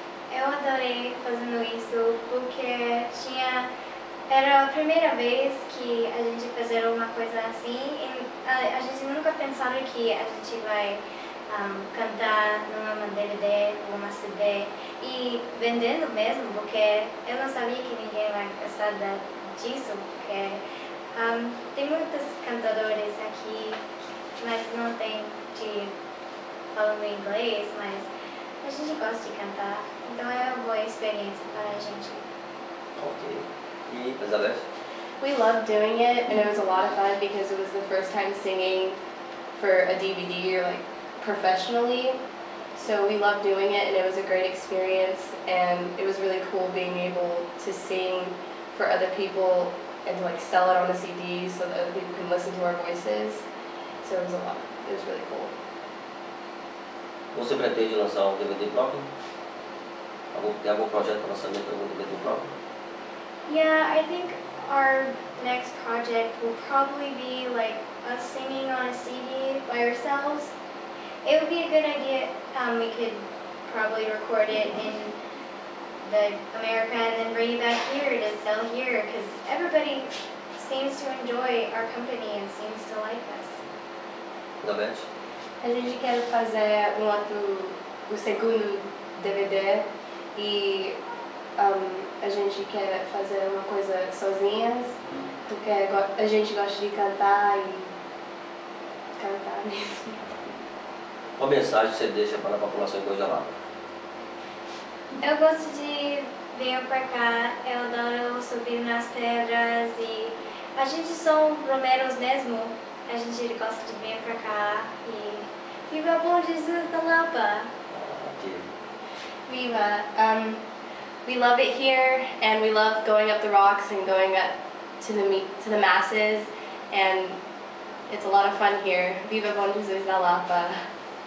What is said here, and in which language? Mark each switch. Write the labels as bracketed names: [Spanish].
[Portuguese] Eu adorei fazendo isso porque era a primeira vez que a gente fazer uma coisa assim, e a gente nunca pensava que a gente vai cantar numa DVD, numa CD e vendendo mesmo, porque eu não sabia que ninguém vai gostar disso, porque tem muitos cantadores aqui, mas não tem de falando inglês, mas a gente gosta de cantar, então é uma boa experiência para a gente. Ok. Elizabeth? [English] We loved doing it, and it was a lot of fun because it was the first time singing for a DVD or like professionally. So we loved doing it, and it was a great experience, and it was really cool being able to sing for other people and to like sell it on a CD so that other people can listen to our voices. So it was a lot. It was really cool. [Portuguese] Você pretende lançar um DVD próprio? Tem algum projeto para lançamento de algum DVD próprio? [English] Yeah, I think our next project will probably be like us singing on a CD by ourselves. It would be a good idea. We could probably record it in the America and then bring it back here to sell here, because everybody seems to enjoy our company and seems to like us. [Portuguese] A gente quer fazer o segundo DVD e a gente quer fazer uma coisa sozinhas, porque a gente gosta de cantar mesmo. Qual mensagem você deixa para a população que hoje é lá? Eu gosto de vir para cá, eu adoro subir nas pedras e a gente são romeiros mesmo. A gente gosta de vir para cá e viva Bom Jesus da Lapa! Aqui. Viva! [English] We love it here, and we love going up the rocks and going up to the masses, and it's a lot of fun here. [Portuguese] Viva Bom Jesus da Lapa!